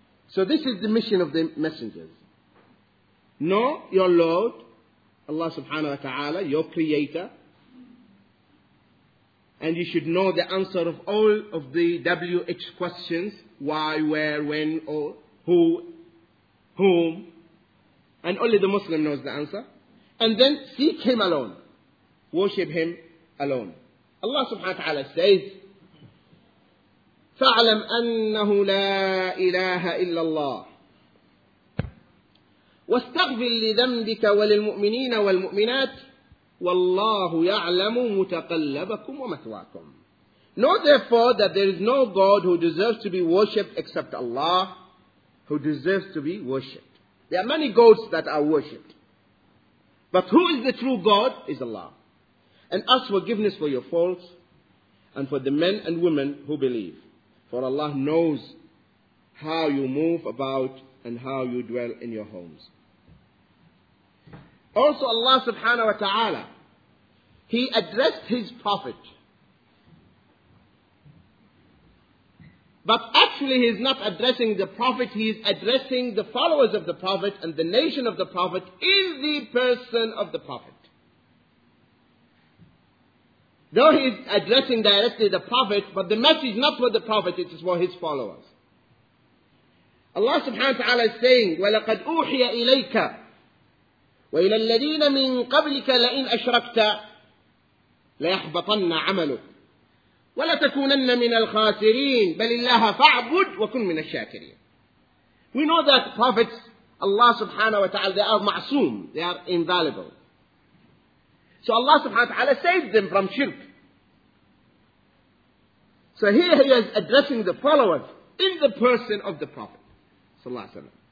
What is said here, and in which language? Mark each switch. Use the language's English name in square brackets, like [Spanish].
[English] So this is the mission of the messengers. Know your Lord, Allah subhanahu wa ta'ala, your creator. And you should know the answer of all of the WH questions. Why, where, when, or who, whom. And only the Muslim knows the answer. And then seek him alone. Worship him alone. Allah subhanahu wa ta'ala says, [Arabic] فَعْلَمْ أَنَّهُ لَا إِلَهَ إِلَّا اللَّهِ وَاسْتَغْفِرْ لِذَنْبِكَ وَلِلْمُؤْمِنِينَ وَالْمُؤْمِنَاتِ وَاللَّهُ يَعْلَمُ مُتَقَلَّبَكُمْ وَمَثْوَاكُمْ. [English] Know therefore that there is no God who deserves to be worshipped except Allah, who deserves to be worshipped. There are many gods that are worshipped. But who is the true God? Is Allah. And ask forgiveness for your faults and for the men and women who believe. For Allah knows how you move about and how you dwell in your homes. Also Allah subhanahu wa ta'ala, he addressed his prophet. But actually he is not addressing the prophet, he is addressing the followers of the prophet, and the nation of the prophet is the person of the prophet. Though he is addressing directly the prophet, but the message is not for the prophet, it is for his followers. Allah subhanahu wa ta'ala is saying, [Arabic] وَلَقَدْ أُوحِيَ إِلَيْكَ وَإِلَى الَّذِينَ مِنْ قَبْلِكَ لَإِنْ أَشْرَكْتَ لَيَحْبَطَنَّ عَمَلُكَ وَلَتَكُونَنَّ مِنَ الْخَاسِرِينَ بَلِ اللَّهَ فَاعْبُدْ وَكُنْ مِنَ الشَّاكِرِينَ. [English] We know that prophets, Allah subhanahu wa ta'ala, they are ma'soom, they are inviolable. So Allah subhanahu wa ta'ala saved them from shirk. So here he is addressing the followers in the person of the Prophet. Sallallahu alayhi wa sallam.